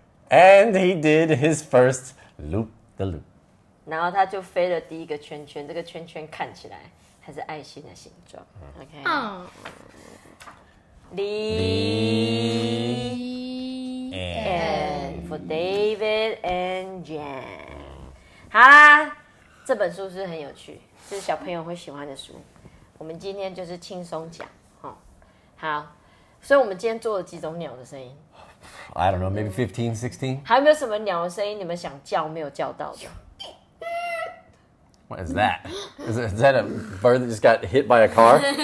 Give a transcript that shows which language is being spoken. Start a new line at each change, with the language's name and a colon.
English: And he did his first loop the loop.
Chinese: 然后他就飞了第一个圈圈，这个圈圈看起来还是爱心的形状。
English: Okay. Lee and for David and Jan.
Chinese: 好啦，这本书是很有趣，是小朋友会喜欢的书。我们今天就是轻松讲。好，所以我们今天做了几种鸟的声音。
English: I don't know, maybe 15, 16.
Chinese: 还有没有什么鸟的声音你们想叫没有叫到的
English: ？What is that? Is that a bird that just got hit by a car?